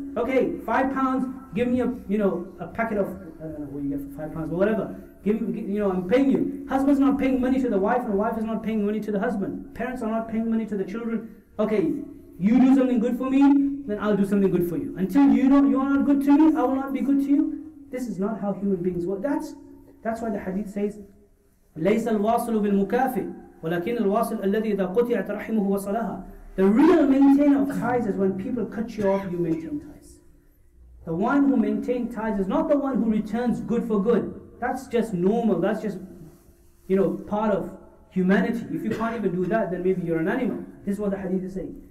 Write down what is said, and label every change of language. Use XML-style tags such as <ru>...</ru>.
<en>Okay, £5, give me a, you know, a packet of, I don't know what you get for £5, but whatever. I'm paying you. Husband's not paying money to the wife, and the wife is not paying money to the husband. Parents are not paying money to the children. Okay, you do something good for me, then I'll do something good for you. Until you are not good to me, I will not be good to you. This is not how human beings work. That's why the hadith says,</en> <ar>لَيْسَ الْوَاصِلُ بِالْمُكَافِ وَلَكِنَّ الْوَاصِلُ الَّذِي إِذَا قُطِعَتْ رَحِمُهُ وَصَلَهَا.</ar> <en>The real maintainer of ties is when people cut you off, you maintain ties. The one who maintains ties is not the one who returns good for good. That's just normal, that's just, you know, part of humanity. If you can't even do that, then maybe you're an animal. This is what the hadith is saying.</en>